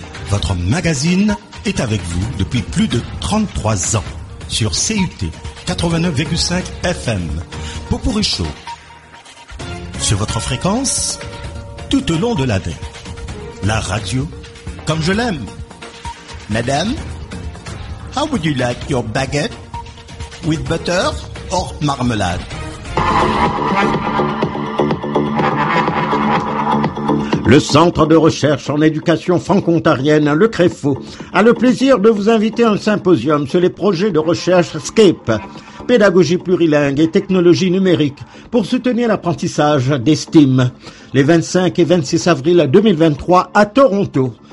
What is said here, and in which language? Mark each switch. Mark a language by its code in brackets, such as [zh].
[fr] Votre magazine est avec vous depuis plus de 33 ans. Sur CUT 89,5 FM, Potpourri Show, sur votre fréquence, tout au long de l'année, la radio, comme je l'aime. [en] Madame, how would you like your baguette, with butter or marmelade? [fr] Le Centre de Recherche en Éducation Franco-Ontarienne, le CREFO, a le plaisir de vous inviter à un symposium sur les projets de recherche SCAPE, pédagogie plurilingue et technologie numérique, pour soutenir l'apprentissage des STEAM, les 25 et 26 avril 2023 à Toronto.